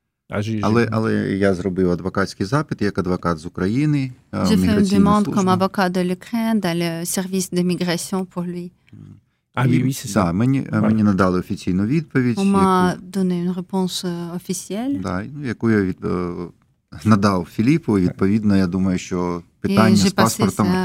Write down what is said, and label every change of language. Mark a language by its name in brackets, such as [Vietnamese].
[Ukrainian] Але я зробив адвокатський запит як адвокат з України. [French] J'ai fait une demande comme avocat de l'Ukraine dans le service de migration pour lui. [Ukrainian] Да, мені надали офіційну відповідь. [French] On m'a donné une réponse officielle. [Ukrainian] Да, яку я надав Філіпу, відповідно, я думаю, що питання з паспортом